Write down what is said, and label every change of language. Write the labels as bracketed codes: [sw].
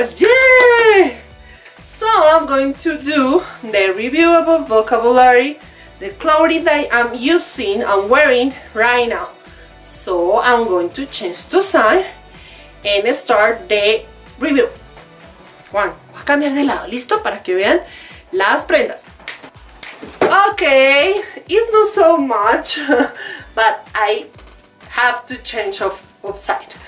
[en] Yay! So I'm going to do the review of a vocabulary, the clothing that I'm using, I'm wearing right now. So I'm going to change to side and start the review. One. [es] A cambiar de lado, listo para que vean las prendas. [en] Okay, it's not so much, but I have to change of side.